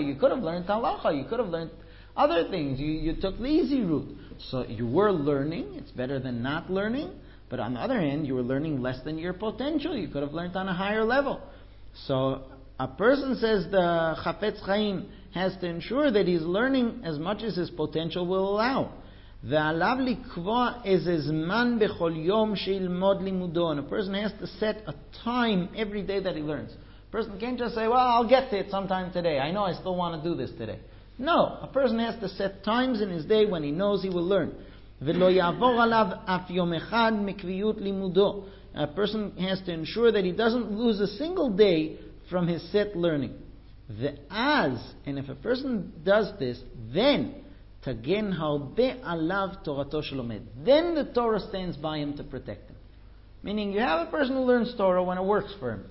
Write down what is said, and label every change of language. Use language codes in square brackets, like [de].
[en] You could have learned Halacha. You could have learned other things. You took the easy route. So you were learning. It's better than not learning. But on the other hand, you were learning less than your potential. You could have learned on a higher level. So a person, says the Chafetz Chaim, has to ensure that he's learning as much as his potential will allow. [he] ועליו לקבוע איזה זמן בכל יום שילמוד לימודו. [en] And a person has to set a time every day that he learns. A person can't just say, well, I'll get to it sometime today. I know I still want to do this today. No, a person has to set times in his day when he knows he will learn. [he] ולא יעבור עליו אף יום אחד מקביעות לימודו. [en] A person has to ensure that he doesn't lose a single day from his set learning. ואז, and if a person does this, then [he] תגן הרבה עליו תורתו שלומד. [en] Then the Torah stands by him to protect him. Meaning you have a person who learns Torah when it works for him.